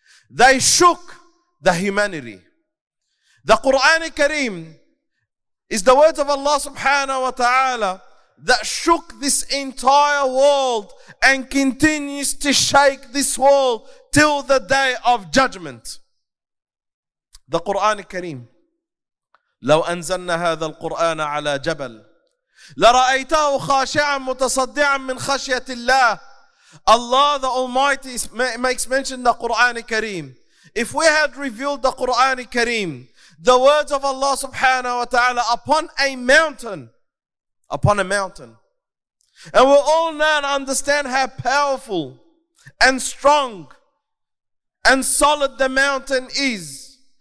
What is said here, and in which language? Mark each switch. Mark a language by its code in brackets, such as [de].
[en] They shook the humanity. The Quran Kareem is the words of Allah subhanahu wa ta'ala that shook this entire world and continues to shake this world till the day of judgment. The Quran Kareem. [ar] لو أنزلنا هذا القرآن على جبل لرأيته خاشعا متصدعا من خشية الله. [en] Allah the Almighty makes mention the Quran Kareem. If we had revealed the Quran Kareem, the words of Allah subhanahu wa ta'ala upon a mountain. And we all now understand how powerful and strong and solid the mountain is.